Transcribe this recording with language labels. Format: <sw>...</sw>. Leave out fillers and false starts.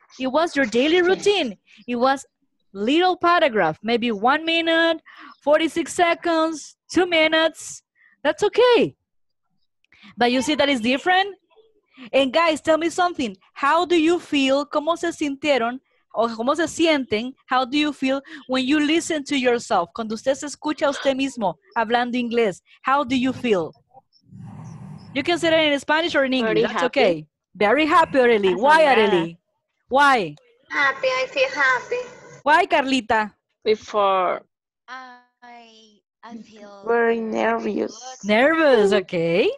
<en>It was your daily routine. It was little paragraph, maybe 1 minute, 46 seconds, 2 minutes. That's okay. But you see that it's different? And guys, tell me something. How do you feel?</en> <es>¿Cómo se sintieron? ¿O cómo se sienten?</es> <en>How do you feel when you listen to yourself?</en> <es>Cuando usted se escucha a usted mismo hablando inglés.</es> <en>How do you feel? You can say it in Spanish or in English. Very That's happy. Okay. Very happy, Arely. Why, Arely? Why? Happy. I feel happy. Why, Carlita? Before. I feel very nervous. Nervous, okay.</en>